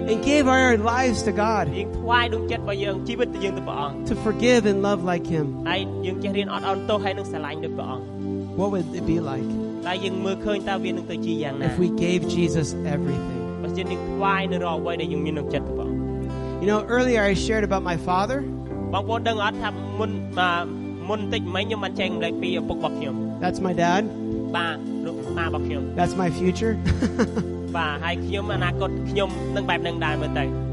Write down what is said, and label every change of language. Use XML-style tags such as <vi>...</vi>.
<en>And gave our lives to God.</en> <km>យើងថ្វាយដួងចិត្តរបស់យើងជីវិតទៅយើងទៅព្រះអង្គ</km> <en>To forgive and love like him.</en> <km>ហើយយើងចេះរៀនអត់អន់ទោសហើយនឹងស្រឡាញ់ដូចព្រះអង្គ</km> <en>What would it be like?</en> <km>តើយើងមើលឃើញថាវានឹងទៅជាយ៉ាងណា</km> <en>If we gave Jesus everything.</en> <km>បើសិនយើងថ្វាយនៅរាល់អ្វីដែលយើងមានក្នុងចិត្តទៅព្រះអង្គ</km> <en>You know earlier I shared about my father.</en> <km>បងប្អូនដឹងអត់ថាមុនតិចមិញខ្ញុំបានចែករំលែកពីឪពុករបស់ខ្ញុំ</km> <en>That's my dad.</en> <km>បាទឪពុកម្ដាយរបស់ខ្ញុំ</km> <en>That's my future.</en> <km>បាទហើយខ្ញុំអនាគតខ្ញុំនឹងបែបនឹងដែរមើលទៅ</km>